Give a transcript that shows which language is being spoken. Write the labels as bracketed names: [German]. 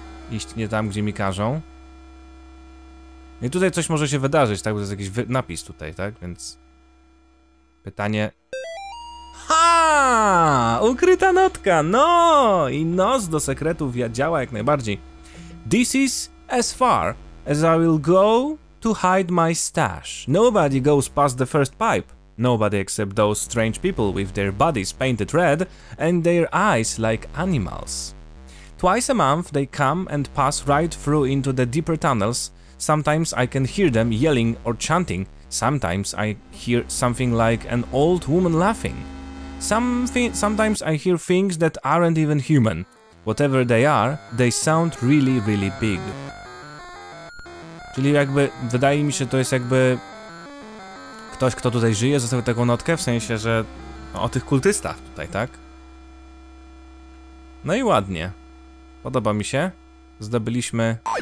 [Polish] iść nie tam, gdzie mi każą. I tutaj coś może się wydarzyć, tak? Bo to jest jakiś napis tutaj, tak? Więc... pytanie... Ha! Ukryta notka! No! I nos do sekretów działa jak najbardziej. [English] This is as far as I will go to hide my stash. Nobody goes past the first pipe. Nobody except those strange people with their bodies painted red and their eyes like animals. Twice a month they come and pass right through into the deeper tunnels. Sometimes I can hear them yelling or chanting. Sometimes I hear something like an old woman laughing. Sometimes I hear things that aren't even human. Whatever they are, they sound really, really big. [Polish] Czyli jakby, wydaje mi się, to jest jakby... ktoś, kto tutaj żyje, zostawił taką notkę, w sensie, że o tych kultystach tutaj, tak? No i ładnie. Podoba mi się. Zdobyliśmy...